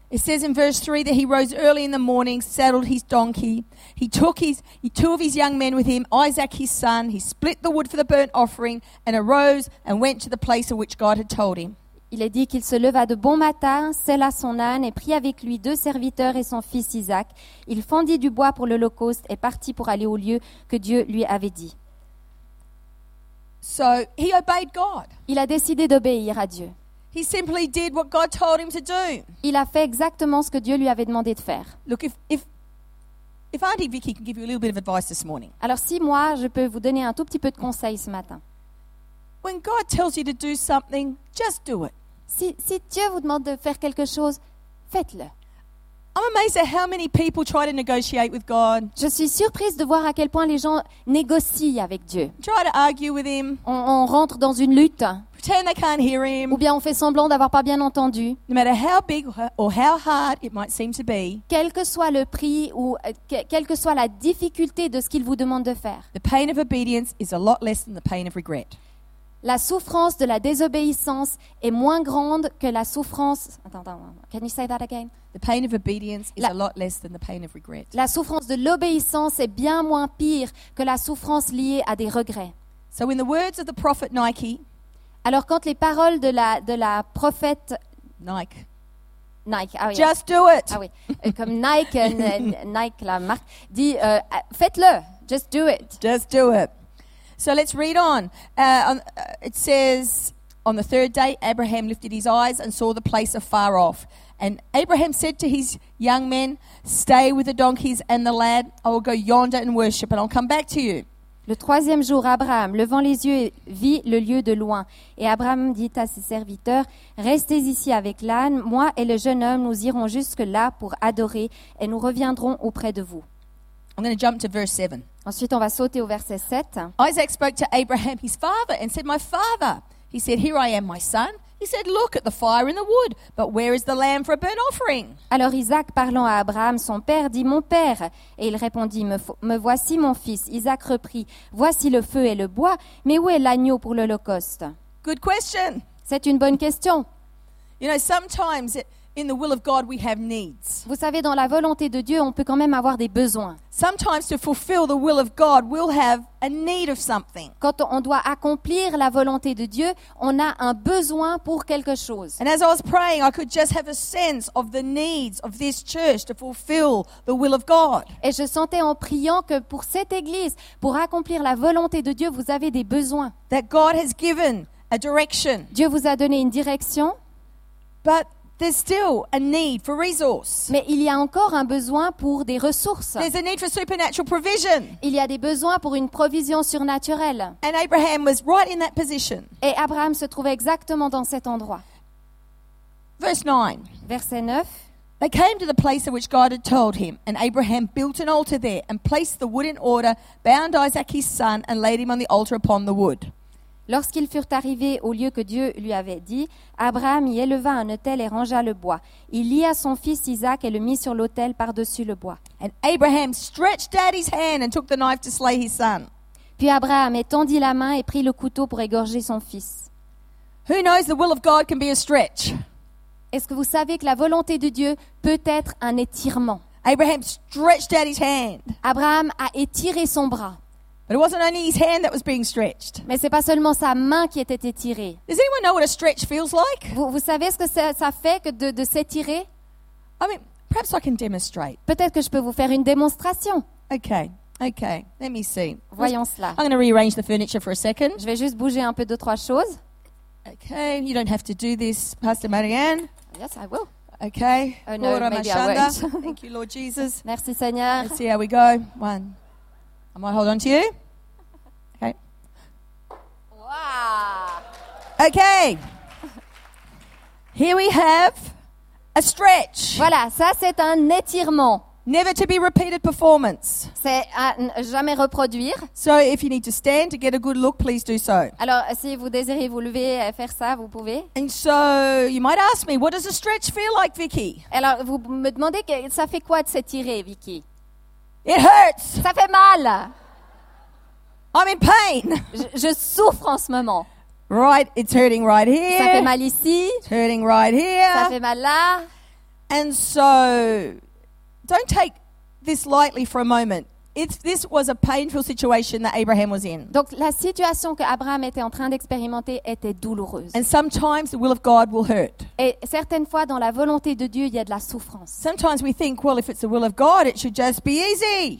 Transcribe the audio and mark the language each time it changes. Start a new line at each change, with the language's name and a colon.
English: It says in verse 3 that he rose early in the morning, saddled his donkey. He took two of his young men with him, Isaac his son. He split the wood for the burnt offering and arose and went to the place of which God had told him.
French: Il est dit qu'il se leva de bon matin, sella son âne et prit avec lui deux serviteurs et son fils Isaac. Il fendit du bois pour l'holocauste et partit pour aller au lieu que Dieu lui avait dit.
English: So he obeyed God.
French: Il a décidé d'obéir à Dieu.
English: He simply did what God told him to do.
French: Il a fait exactement ce que Dieu lui avait demandé de faire.
English: Look, if Auntie Vicky can give you a little bit of advice this morning.
French: Alors si moi je peux vous donner un tout petit peu de conseil ce matin.
English: When God tells you to do something, just do it.
French: Si Dieu vous demande de faire quelque chose, faites-le.
English: I'm amazed at how many people try to negotiate with God.
French: Je suis surprise de voir à quel point les gens négocient avec Dieu.
English: Try to argue with him.
French: On rentre dans une lutte.
English: Pretend they can't hear him.
French: Ou bien on fait semblant d'avoir pas bien entendu.
English: No matter how big or how hard it might seem to be.
French: Quel que soit le prix ou quelle que soit la difficulté de ce qu'il vous demande de faire.
English: The pain of obedience is a lot less than the pain of regret.
French: La souffrance de la désobéissance est moins grande que la souffrance. Attends.
English: Can you say that again? The pain of obedience is a lot less than the pain of regret.
French: La souffrance de l'obéissance est bien moins pire que la souffrance liée à des regrets.
English: So in the words of the prophet Nike.
French: Alors quand les paroles de la prophète Nike. Nike. Ah oui.
English: Just do it.
French: Ah oui. Comme Nike, Nike la marque dit faites-le.
English: Just do it. Just do it. So let's read on. It says, on the third day, Abraham lifted his eyes and saw the place afar off. And Abraham said to his young men, stay with the donkeys and the lad. I will go yonder and worship and I'll come back to you.
French: Le troisième jour, Abraham, levant les yeux, vit le lieu de loin. Et Abraham dit à ses serviteurs, restez ici avec l'âne. Moi et le jeune homme, nous irons jusque là pour adorer et nous reviendrons auprès de vous.
English: I'm going to jump to verse 7.
French: Ensuite, on va sauter au verset 7.
English: Isaac spoke to Abraham, his father, and said, my father. He said, here I am, my son. He said, look at the fire in the wood, but where is the lamb for a burnt offering?
French: Alors Isaac parlant à Abraham, son père, dit, mon père. Et il répondit, me voici mon fils. Isaac reprit, voici le feu et le bois, mais où est l'agneau pour l'holocauste?
English: Good question.
French: C'est une bonne question.
English: You know, sometimes in the will of God we have needs.
French: Vous savez, dans la volonté de Dieu, on peut quand même avoir des besoins.
English: Sometimes to fulfill the will of God, we'll have a need of something.
French: Quand on doit accomplir la volonté de Dieu, on a un besoin pour quelque chose.
English: And as I was praying, I could just have a sense of the needs of this church to fulfill the will of God.
French: Et je sentais en priant que pour cette église, pour accomplir la volonté de Dieu, vous avez des besoins.
English: That God has given a direction.
French: Dieu vous a donné une direction.
English: But there's still a need for resources.
French: Mais il y a encore un besoin pour des ressources.
English: There's a need for supernatural provision.
French: Il y a des besoins pour une provision surnaturelle.
English: And Abraham was right in that position.
French: Et Abraham se trouvait exactement dans cet endroit.
English: Verse 9.
French: Verset 9.
English: They came to the place of which God had told him, and Abraham built an altar there and placed the wood in order, bound Isaac his son, and laid him on the altar upon the wood.
French: Lorsqu'ils furent arrivés au lieu que Dieu lui avait dit, Abraham y éleva un autel et rangea le bois. Il lia son fils Isaac et le mit sur l'autel par-dessus le bois.
English: And Abraham stretched out his hand and took the knife to slay his son.
French: Puis Abraham étendit la main et prit le couteau pour égorger son fils.
English: Who knows the will of God can be a stretch?
French: Est-ce que vous savez que la volonté de Dieu peut être un étirement?
English: Abraham stretched out his hand.
French: Abraham a étiré son bras.
English: But it wasn't only his hand that was being stretched.
French: Mais c'est pas seulement sa main qui était étirée.
English: Does anyone know what a stretch feels like?
French: Vous savez ce que ça fait que de s'étirer?
English: I mean, perhaps I can demonstrate.
French: Peut-être que je peux vous faire une démonstration.
English: Okay. Let me see.
French: Voyons cela.
English: I'm going to rearrange the furniture for a second.
French: Je vais juste bouger un peu deux trois choses.
English: Okay. You don't have to do this, Pastor Marianne. Yes, I will. Okay. Oh, no, Lord, maybe I won't. Thank you, Lord Jesus.
French: Merci, Seigneur.
English: Let's see how we go. One. I might hold on to you. Okay. Wow. Okay. Here we have a stretch.
French: Voilà, ça c'est un étirement.
English: Never to be repeated performance.
French: C'est à jamais reproduire.
English: So if you need to stand to get a good look, please do so.
French: Alors si vous désirez vous lever et faire ça, vous pouvez.
English: And so you might ask me, what does a stretch feel like, Vicky?
French: Alors vous me demandez que ça fait quoi de s'étirer, Vicky?
English: It hurts.
French: Ça fait mal.
English: I'm in pain.
French: Je souffre en ce moment.
English: Right, it's hurting right here.
French: Ça fait mal ici.
English: It's hurting right here.
French: Ça fait mal là.
English: And so, don't take this lightly for a moment. This was a painful situation that Abraham was in.
French: Donc la situation que Abraham était en train d'expérimenter était douloureuse.
English: And sometimes the will of God will hurt.
French: Et certaines fois dans la volonté de Dieu, il y a de la souffrance.
English: Sometimes we think, well, if it's the will of God, it should just be easy.